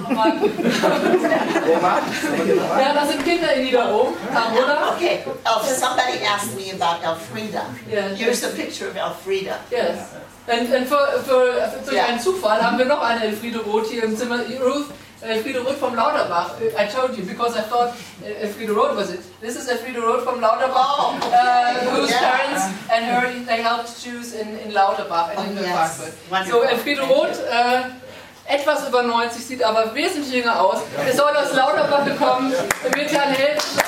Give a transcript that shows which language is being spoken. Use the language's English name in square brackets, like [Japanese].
[German] nochmal. Ja, da sind Kinder in Niederolmen, oder? [English] Okay, oh, somebody asked me about Elfriede. Yes. Here's a picture of Elfriede. Yes. [German] Und für einen Zufall haben wir noch eine Elfriede Roth hier im Zimmer. Elfriede Roth vom Lauterbach. [English] I told you, because I thought Elfriede Roth was it. This is Elfriede Roth from Lauterbach, whose parents and her, they helped Jews in Lauterbach and in Frankfurt. Yes. [German] So Elfriede Roth, etwas über 90, sieht aber wesentlich jünger aus. Er soll aus Lauterbach kommen, mit Herrn Held.